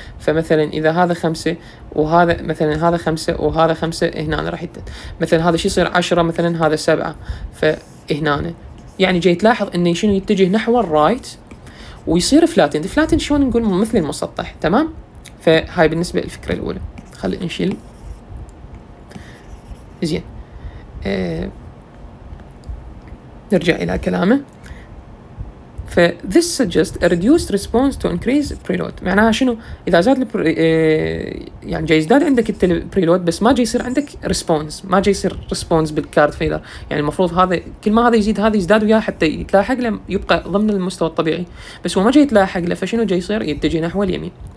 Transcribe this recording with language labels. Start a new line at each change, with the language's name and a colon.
Arabic: فمثلا اذا هذا 5 وهذا مثلا هذا 5 وهذا 5 هنا راح يتد مثلا هذا شي يصير 10 مثلا هذا 7 فهنا يعني جاي تلاحظ انه شنو يتجه نحو الرايت ويصير فلاتن. فلاتن شلون نقول؟ مثل المسطح، تمام؟ فهاي بالنسبة للفكرة الأولى، خلي نشيل زين. نرجع إلى كلامه، ف
English: this suggests a reduced response to increase preload.
Arabic: معناها شنو؟ إذا زاد يعني جاي يزداد عندك البريلود بس ما جاي يصير عندك response، ما جاي يصير response بالكارد فيلر، يعني المفروض هذا كل ما هذا يزيد هذا يزداد وياه حتى يتلاحق له يبقى ضمن المستوى الطبيعي، بس هو ما جاي يتلاحق له، فشنو جاي يصير؟ يتجه نحو اليمين.